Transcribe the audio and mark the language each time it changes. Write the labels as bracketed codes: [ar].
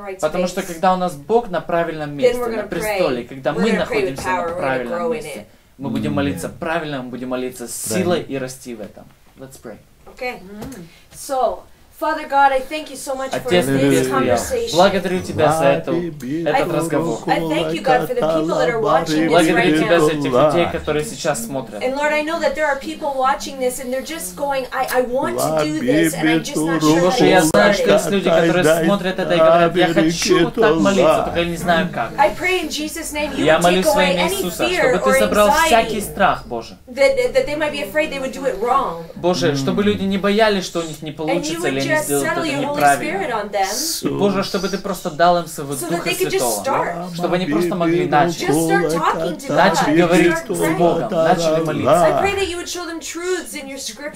[ru] Потому что когда у нас Бог на правильном месте, на престоле, когда мы находимся на правильном месте, мы будем молиться правильно, мы будем молиться с силой и расти в этом. [en] Let's pray. Okay. So, Father God, I thank you so much for this conversation. [ru] Благодарю тебя за этот разговор. [en] I thank you, God, for the people that are watching this right now. [ru] Благодарю тебя за тех людей, которые сейчас смотрят. [en] And Lord, I know that there are people watching this and they're just going, I want to do this and I'm just not sure how to start. [ru] Я знаю, что есть люди, которые смотрят это и говорят, я хочу так молиться, только я не знаю как. [en] I pray in Jesus' name, you would take away any fear or anxiety. [ru] Чтобы ты забрал всякий страх, Боже. [en] That they might be afraid they would do it wrong. [ru] Боже, чтобы люди не боялись, что у них не получится. [en] Just settle your Holy Spirit on them. [ru] Боже, чтобы ты просто дал им своего Духа Святого, чтобы они просто могли начать говорить с Богом, начали молиться.